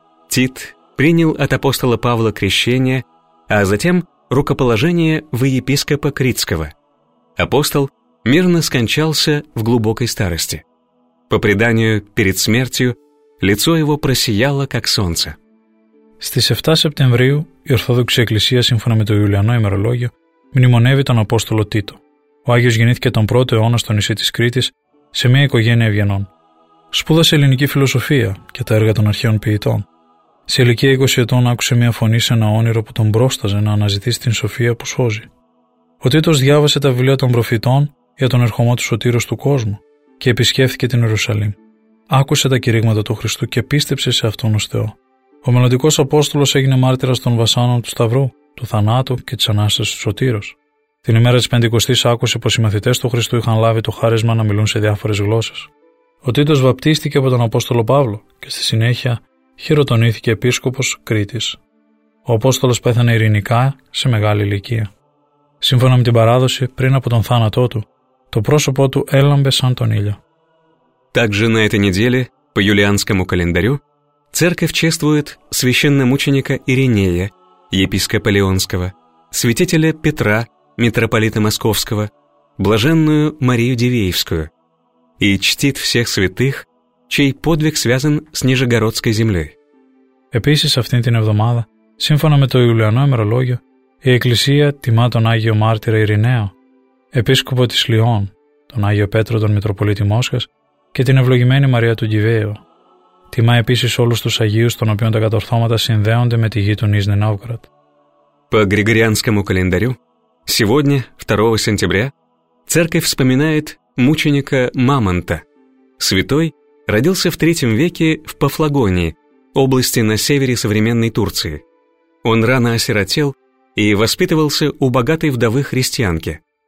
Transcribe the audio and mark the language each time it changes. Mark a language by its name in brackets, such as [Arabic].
[Russian] Тит принял от апостола Павла крещение, а затем рукоположение в епископа Критского. Апостол мирно скончался в глубокой старости. По преданию, перед смертью лицо его просияло, как солнце. [Greek] Στις 7 Σεπτεμβρίου η Ορθόδοξη Εκκλησία, σύμφωνα με το Ιουλιανό ημερολόγιο, μνημονεύει τον Απόστολο Τίτο. Ο Άγιος γεννήθηκε τον 1ο αιώνα στο νησί της Κρήτης σε μια οικογένεια ευγενών. Σπούδασε ελληνική φιλοσοφία και τα έργα των αρχαίων ποιητών. Σε ηλικία 20 ετών άκουσε μια φωνή σε ένα όνειρο που τον πρόσταζε να αναζητήσει την σοφία που σώζει. Ο Τίτος διάβασε τα βιβλία των προφητών για τον ερχομό του Σωτήρος του κόσμου και επισκέφθηκε την Ιερουσαλήμ. Άκουσε τα κηρύγματα του Χριστού και πίστεψε σε αυτόν ως Θεό. Ο μελλοντικός Απόστολος έγινε μάρτυρας των βασάνων του Σταυρού, του θανάτου και της Ανάστασης του Σωτήρος. Την ημέρα της Πεντηκοστής άκουσε πως οι μαθητές του Χριστού είχαν λάβει το χάρισμα να μιλούν σε διάφορες γλώσσες. Ο Τίτος βαπτίστηκε από τον Απόστολο Παύλο και στη συνέχεια χειροτονήθηκε επίσκοπος Κρήτης. Ο Απόστολος πέθανε ειρηνικά σε μεγάλη ηλικία. Σύμφωνα με την παράδοση, πριν από τον θάνατό του, το πρόσωπό του έλαμπε σαν τον ήλιο. Также на этой неделе, по юлианскому календарю, церковь чествует священномученика Иринея, епископа Леонского, святителя Петра, митрополита Московского, блаженную Марию Дивеевскую и чтит всех святых, чей подвиг связан с Нижегородской землей. Επίσης, αυτήν την εβδομάδα, σύμφωνα με το Ιουλιανό ημερολόγιο, Η Εκκλησία τιμά τον Άγιο Μάρτυρα Ειρηναίο, επίσκοπο της Λιών, τον Άγιο Πέτρο τον Μητροπολίτη Μόσχας και την ευλογημένη Μαρία του Κιβαίου. Τιμά επίσης όλους τους Αγίους των οποίων τα κατορθώματα συνδέονται με τη γη του Νίζνη Νόβγρατ. [Russian] По григорианскому календарю, сегодня, 2 сентября, церковь вспоминает мученика Мамонта. Святой родился в III веке в Пафлагонии, области на севере современной Турции. Он рано осиротел и воспитывался у богатой вдовы-христианки.